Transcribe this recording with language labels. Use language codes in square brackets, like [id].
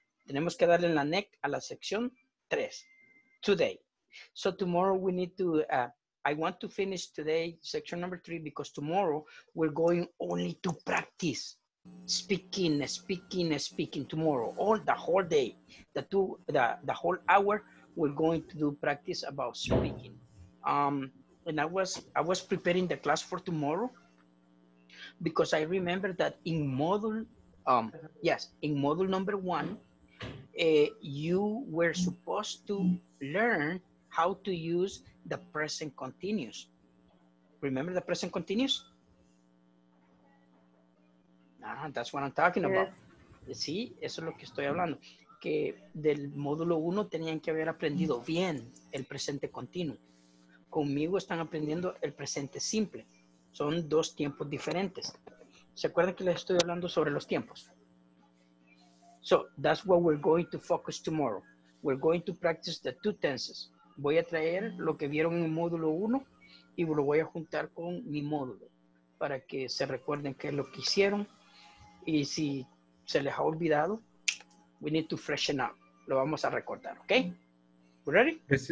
[es] Tenemos que darle la neck a la sección [en] today. So tomorrow we need to, I want to finish today section number 3 because tomorrow we're going only to practice speaking, speaking, speaking tomorrow, all the whole day, the whole hour, we're going to do practice about speaking. And I was preparing the class for tomorrow because I remember that in module number 1, you were supposed to learn how to use the present continuous. Remember the present continuous? Ah, that's what I'm talking about. [es] Sí, eso es lo que estoy hablando. Que del módulo 1 tenían que haber aprendido bien el presente continuo. Conmigo están aprendiendo el presente simple. Son dos tiempos diferentes. ¿Se acuerdan que les estoy hablando sobre los tiempos? [en] So that's what we're going to focus tomorrow. We're going to practice the two tenses. [es] Voy a traer lo que vieron en el módulo 1 y lo voy a juntar con mi módulo para que se recuerden qué es lo que hicieron. Y si se les ha olvidado, [en] we need to freshen up. [es] Lo vamos a recordar, ¿ok? [en] We're ready?